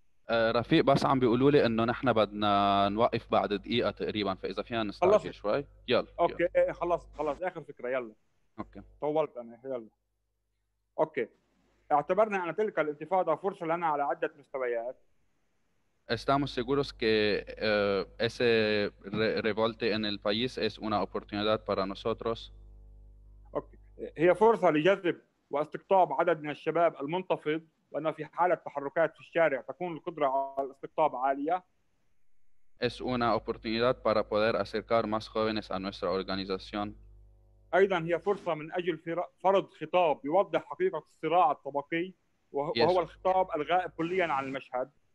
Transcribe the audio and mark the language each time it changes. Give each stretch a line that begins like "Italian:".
Arabic: رفيق بس عم بيقولوا لي انه نحن بدنا نوقف بعد دقيقة تقريبا فإذا فينا نستعجل شوي يلا اوكي يلا. خلص اخر فكرة يلا اوكي طولت انا يلا اوكي اعتبرنا ان تلك الانتفاضة فرصة لنا على عدة مستويات.
Spanish: Estamos seguros que ese revolte en el país es una oportunidad para nosotros.
Arabic: اوكي هي فرصة لجذب واستقطاب عدد من الشباب المنتفض وأن في حالة تحركات في الشارع تكون القدرة على الاستقطاب عالية
Spanish: es una oportunidad para poder acercar más jóvenes a nuestra organización.
Arabic: أيضا هي فرصة من أجل فرض خطاب يوضح حقيقة الصراع الطبقي وهو الخطاب الغائب كليا عن المشهد.